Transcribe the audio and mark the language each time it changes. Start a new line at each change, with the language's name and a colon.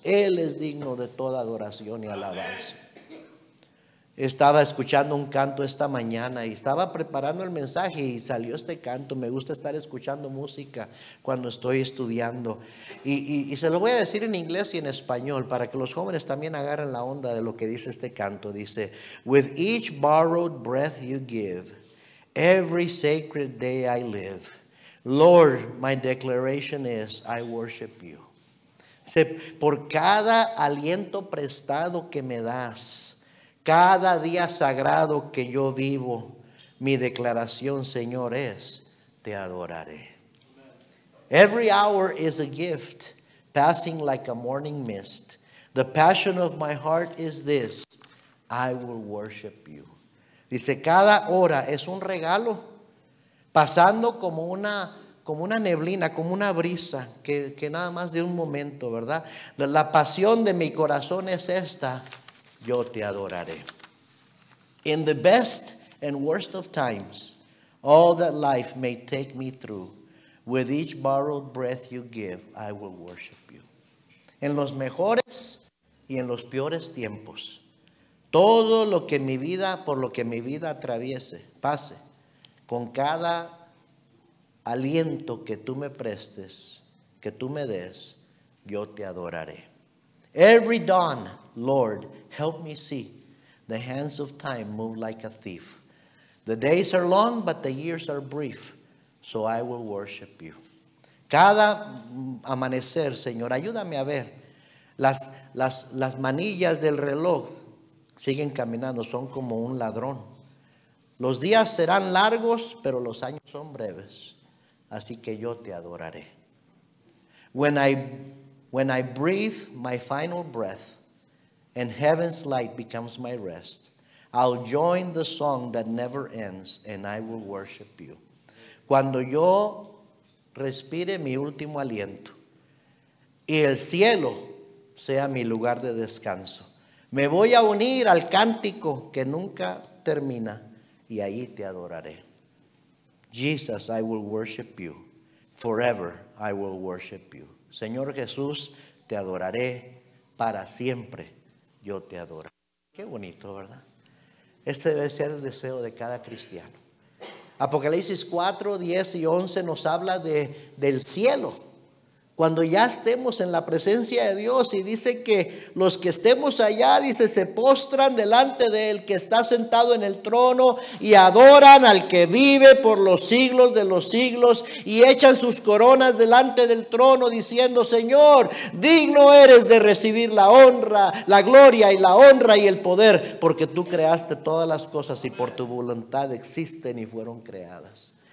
Spanish: Él es digno de toda adoración y alabanza. Estaba escuchando un canto esta mañana y estaba preparando el mensaje y salió este canto. Me gusta estar escuchando música cuando estoy estudiando. Y se lo voy a decir en inglés y en español para que los jóvenes también agarren la onda de lo que dice este canto. Dice:
English: with each borrowed breath you give, every sacred day I live, Lord, my declaration is I worship you.
Spanish: Por cada aliento prestado que me das, cada día sagrado que yo vivo, mi declaración, Señor, es: te adoraré.
English: Every hour is a gift, passing like a morning mist. The passion of my heart is this: I will worship you.
Spanish: Dice: cada hora es un regalo, pasando como una, como una neblina, como una brisa, que nada más de un momento, ¿verdad? La pasión de mi corazón es esta: yo te adoraré.
English: In the best and worst of times, all that life may take me through, with each borrowed breath you give, I will worship you.
Spanish: En los mejores y en los peores tiempos. Todo lo que mi vida, por lo que mi vida atraviese, pase, con cada aliento que tú me prestes, que tú me des, yo te adoraré.
English: Every dawn, Lord, help me see the hands of time move like a thief. The days are long, but the years are brief, so I will worship you.
Spanish: Cada amanecer, Señor, ayúdame a ver. Las manillas del reloj siguen caminando, son como un ladrón. Los días serán largos, pero los años son breves. Así que yo te adoraré.
English: When I breathe my final breath and heaven's light becomes my rest, I'll join the song that never ends and I will worship you.
Spanish: Cuando yo respire mi último aliento y el cielo sea mi lugar de descanso, me voy a unir al cántico que nunca termina y ahí te adoraré.
English: Jesus, I will worship you. Forever, I will worship you.
Spanish: Señor Jesús, te adoraré para siempre. Yo te adoro. Qué bonito, ¿verdad? Ese debe ser el deseo de cada cristiano. Apocalipsis 4, 10 y 11 nos habla del cielo. Cuando ya estemos en la presencia de Dios y dice que los que estemos allá, dice, se postran delante de Él que está sentado en el trono y adoran al que vive por los siglos de los siglos y echan sus coronas delante del trono diciendo: Señor, digno eres de recibir la honra, la gloria y la honra y el poder, porque tú creaste todas las cosas y por tu voluntad existen y fueron creadas.